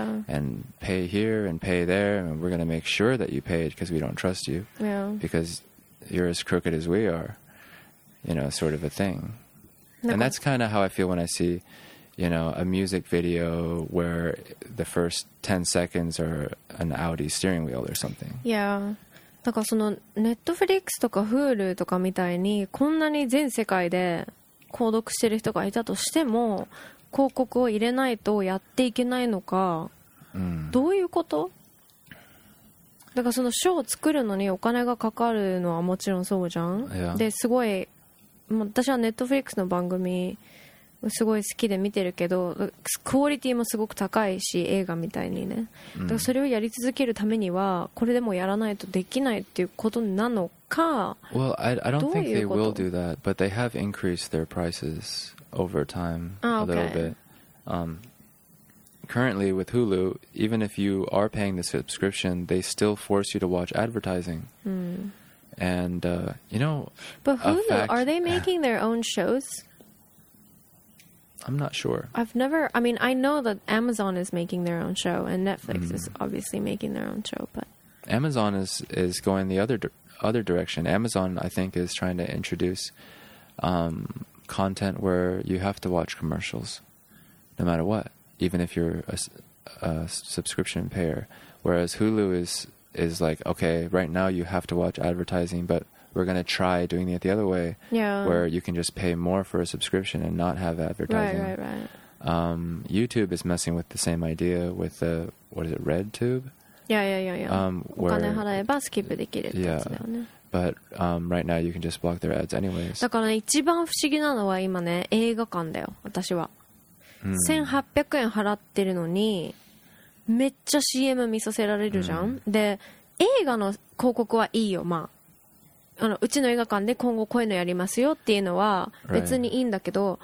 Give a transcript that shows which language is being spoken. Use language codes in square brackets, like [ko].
[en] And pay here and pay there. And we're going to make sure that you paid because we don't trust you. Yeah. Because you're as crooked as we are. You know, sort of a thing. No. And that's kind of how I feel when I see... You know, a music video where the first 10 seconds are an Audi steering wheel or something. Yeah. [ja] だからその Netflix とか Hulu とかみたいにこんなに全世界で購読してる人がいたとしても広告を入れないとやっていけないのか、どういうこと？だからそのショーを作るのにお金がかかるのはもちろんそうじゃん。 [en] Yeah. [ja] ですごい、もう私は Netflix の番組すごい好きで見てるけど、クオリティもすごく高いし、映画みたいにね。だからそれをやり続けるためには、これでもやらないとできないっていうことなのか。 [en] Well, I don't think they will do that, but they have increased their prices over time a little bit. Currently with Hulu, even if you are paying the subscription, they still force you to watch advertising. And, you know, but Hulu, are they making their own shows? I'm not sure. I know that Amazon is making their own show, and Netflix is obviously making their own show, but... Amazon is going the other direction. Amazon, I think, is trying to introduce content where you have to watch commercials, no matter what, even if you're a subscription payer. Whereas Hulu is like, okay, right now you have to watch advertising, but... We're going to try doing it the other way, where you can just pay more for a subscription and not have advertising. Right. YouTube is messing with the same idea with the, what is it, RedTube? Yeah. [ja] お金払えばスキップできるってやつだよね。 [en] But right now you can just block their ads anyways. [ja] だから一番不思議なのは今ね、映画館だよ、私は。 1800円払ってるのに、めっちゃ CM 見させられるじゃん。で、映画の広告はいいよ、まあ。あのうちの映画館で今後こういうのやりますよっていうのは別にいいんだけど、